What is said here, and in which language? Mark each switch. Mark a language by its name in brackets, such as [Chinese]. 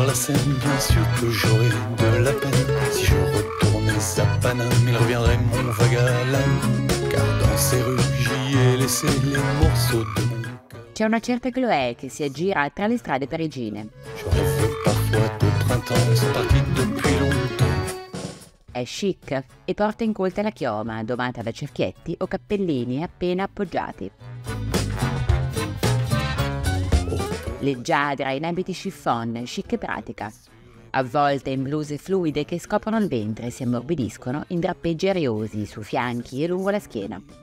[French] Bien sûr que j'aurais de la peine. Si je retournais à Paname, il reviendrait mon vague à l'âme. Car dans ses rues j'y ai laissé les morceaux de mon cœur. [Italian] C'è una certa Chloé che si aggira tra le strade parigine. [French] Je rêve parfois de printemps, sont partis depuis longtemps. [Italian] È chic e porta incolta la chioma, domata da cerchietti o cappellini appena appoggiati. Leggiadra in abiti chiffon, chic e pratica, avvolte in bluse fluide che scoprono il ventre e si ammorbidiscono in drappeggi ariosi su fianchi e lungo la schiena.